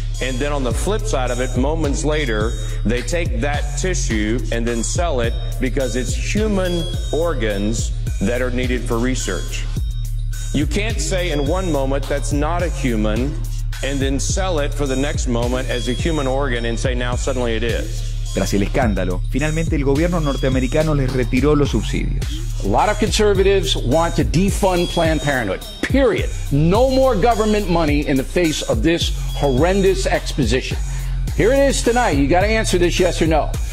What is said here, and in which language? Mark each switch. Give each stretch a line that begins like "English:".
English: And then on the flip side of it, moments later, they take that tissue and then sell it because it's human organs that are needed for research. You can't say in one moment that's not a human and then sell it for the next moment as a human organ and say now suddenly it is.
Spanish: Tras el escándalo, finalmente el gobierno norteamericano les retiró los subsidios.
English: A lot of conservatives want to defund Planned Parenthood, period. No more government money in the face of this horrendous exposition. Here it is tonight. You got to answer this yes or no.